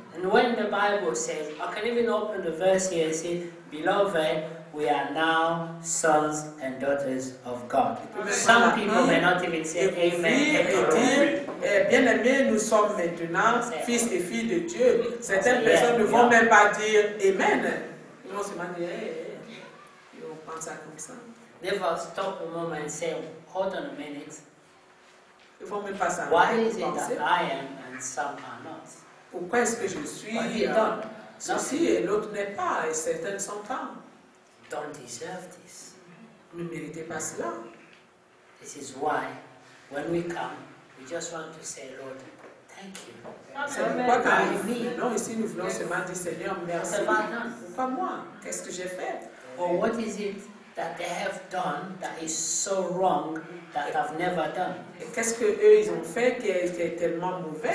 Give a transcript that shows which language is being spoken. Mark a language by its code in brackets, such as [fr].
[en] And when the Bible says, I can even open the verse here and say, beloved, we are now sons and daughters of God. Some people may not even say amen. [fr] Bien-aimés, nous sommes maintenant fils et filles de Dieu. Certaines personnes ne vont même pas dire amen. Ils vont se demander, ils vont penser comme ça. [en] Never stop a moment and say, hold on a minute. [fr] Ils vont même pas s'arrêter. [en] Why is it that I am and some are not? [fr] Pourquoi est-ce que je suis ceci et l'autre n'est pas, et certains sont en. [en] Don't deserve this. [fr] Ne méritez pas cela. [en] This is why, when we come, we just want to say, Lord, thank you. [fr] C'est pourquoi quand il dit, non, ici nous voulons seulement dire, Seigneur, merci. Pourquoi moi? Qu'est-ce que j'ai fait? [en] Or what is it that they have done that is so wrong that I've never done? [fr] Et qu'est-ce qu'eux, ils ont fait qui est tellement mauvais